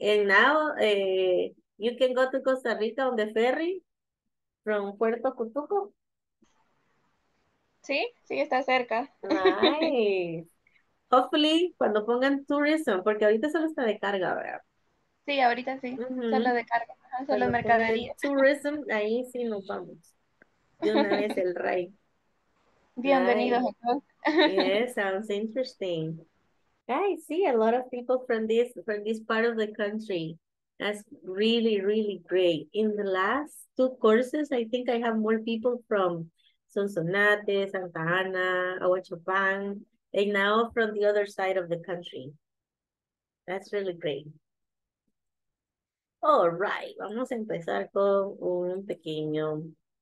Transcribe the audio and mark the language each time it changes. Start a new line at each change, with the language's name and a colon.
English: And now you can go to Costa Rica on the ferry from Puerto Cutuco.
Spanish: Sí, sí, está cerca.
English: Nice.
Spanish: Hopefully, cuando pongan tourism, porque ahorita solo está de carga, ¿verdad? Sí, ahorita sí, uh-huh. Solo de carga, solo cuando mercadería. Tourism, ahí sí nos vamos. De una vez el rey. Bienvenidos.
English: Yes, sounds interesting. I see a lot of people from this part of the country. That's really, really great. In the last two courses, I think I have more people from Sonsonate, Santa Ana, Ahuachapán, and now from the other side of the country. That's really great. All right,
Spanish: vamos a empezar con un pequeño...